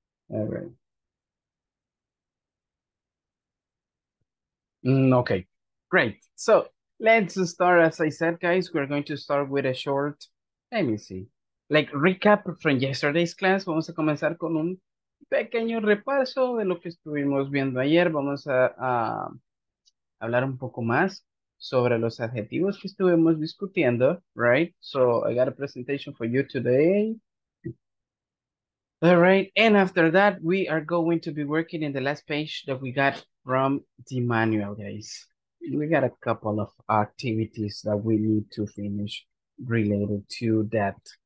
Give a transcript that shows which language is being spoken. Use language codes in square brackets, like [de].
[en] All right. Okay, great. So let's start. As I said, guys, we're going to start with a short, let me see, like recap from yesterday's class. [es] Vamos a comenzar con un pequeño repaso de lo que estuvimos viendo ayer. Vamos a hablar un poco más sobre los adjetivos que estuvimos discutiendo, right? [en] So I got a presentation for you today. All right, and after that, we are going to be working in the last page that we got from the manual, guys. We got a couple of activities that we need to finish related to that.